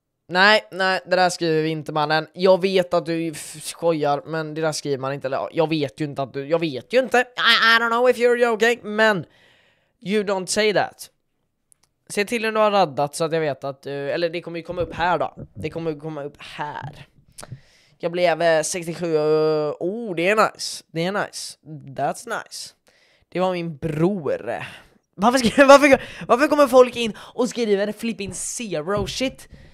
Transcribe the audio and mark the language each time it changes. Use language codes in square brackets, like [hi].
[sv] Nej, det där skriver vi inte, mannen. Jag vet att du skojar, men det där skriver man inte. Jag vet ju inte. [en] I don't know if you're joking, men you don't say that. [sv] Se till när du har raddat så att jag vet att du, eller det kommer ju komma upp här då. Det kommer ju komma upp här. Jag blev 67. Oh, det är nice. [en] That's nice. [sv] Det var min bror. Varför kommer folk in och skriver flipping zero shit?